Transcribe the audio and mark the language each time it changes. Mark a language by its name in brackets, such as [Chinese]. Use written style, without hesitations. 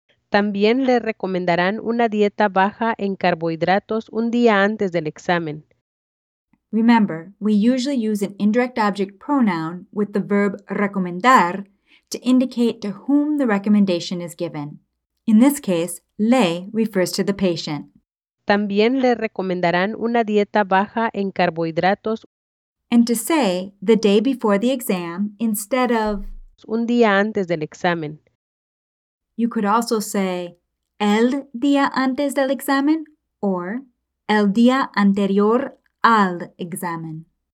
[Spanish] También le recomendarán una dieta baja en carbohidratos un día antes del examen. [English] Remember, we usually use an indirect object pronoun with the verb recomendar to indicate to whom the recommendation is given. In this case, le refers to the patient. [Spanish] También le recomendarán una dieta baja en carbohidratos. [English] And to say the day before the exam instead of [Spanish] un día antes del examen. [English] You could also say [Spanish] el día antes del examen [English] or [Spanish] el día anterior al examen.